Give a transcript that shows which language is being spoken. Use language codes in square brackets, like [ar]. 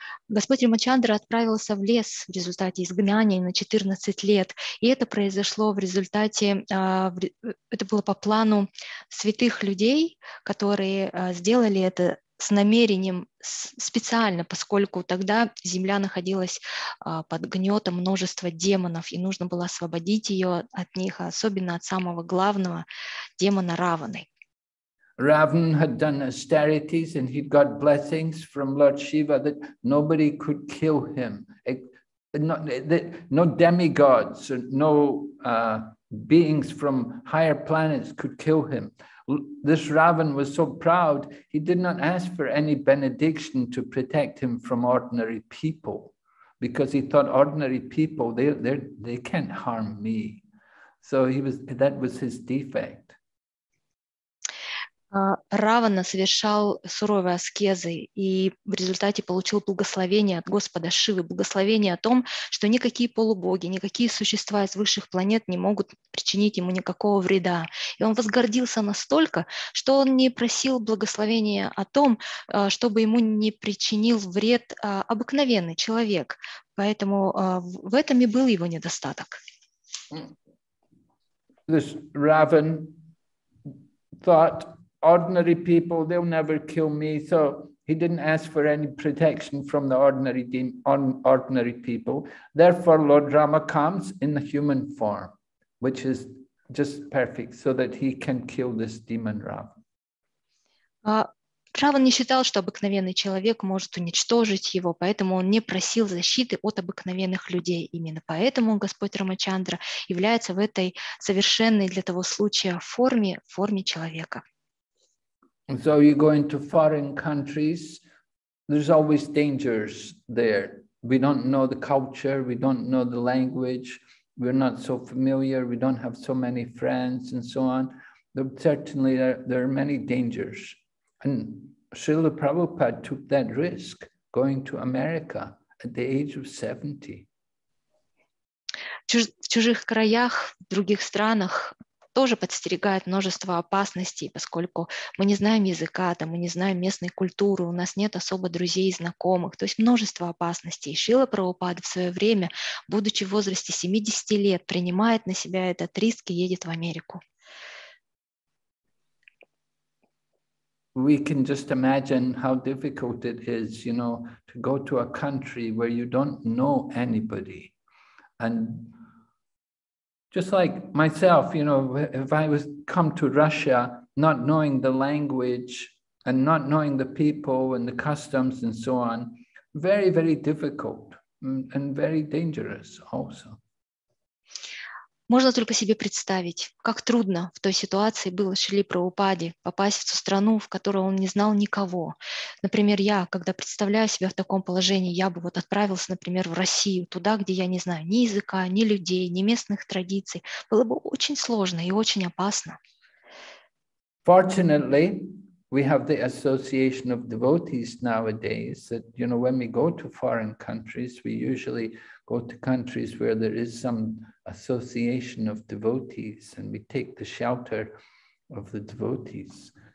[ru] Господь Рамачандра отправился в лес в результате изгнания на 14 лет, и это произошло в результате, это было по плану святых людей, которые сделали это с намерением специально, поскольку тогда земля находилась под гнетом множества демонов, и нужно было освободить ее от них, особенно от самого главного демона Раваны. [en] Ravan had done austerities and he'd got blessings from Lord Shiva that nobody could kill him. No demigods, beings from higher planets could kill him. This Ravan was so proud, he did not ask for any benediction to protect him from ordinary people. because he thought ordinary people, they can't harm me. So that was his defect. [ru] Равана совершал суровые аскезы и в результате получил благословение от Господа Шивы, благословение о том, что никакие полубоги, никакие существа из высших планет не могут причинить ему никакого вреда. И он возгордился настолько, что он не просил благословения о том, чтобы ему не причинил вред обыкновенный человек. Поэтому в этом и был его недостаток. [en] This Ravan thought ordinary people, they'll never kill me. So he didn't ask for any protection from the ordinary people. Therefore, Lord Rama comes in the human form, which is just perfect, so that he can kill this demon Ravan. [ru] Раван не считал, что обыкновенный человек может уничтожить его, поэтому он не просил защиты от обыкновенных людей. Именно поэтому Господь Рамачандра является в этой совершенной для того случая форме, форме человека. [en] So you go into foreign countries, there's always dangers there. We don't know the culture, we don't know the language, we're not so familiar, we don't have so many friends and so on. Certainly there are many dangers. And Srila Prabhupada took that risk going to America at the age of 70. [ru] В чужих краях, в других странах тоже подстерегает множество опасностей, поскольку мы не знаем языка, мы не знаем местной культуры, у нас нет особо друзей и знакомых. То есть множество опасностей. Шрила Прабхупада в свое время, будучи в возрасте 70 лет, принимает на себя этот риск и едет в Америку. [en] We can just imagine how difficult it is, you know, to go to a country where you don't know anybody. And just like myself, you know, if I was come to Russia, not knowing the language and not knowing the people and the customs and so on, very, very difficult and very dangerous also. [ru] Можно только себе представить, как трудно в той ситуации было Шриле Прабхупаде попасть в ту страну, в которой он не знал никого. Например, я, когда представляю себя в таком положении, я бы вот отправился, например, в Россию, туда, где я не знаю ни языка, ни людей, ни местных традиций. Было бы очень сложно и очень опасно. [en] Fortunately, we have the association of devotees nowadays that, you know, when we go to foreign countries, we usually go to countries where there is some association of devotees and we take the shelter of the devotees.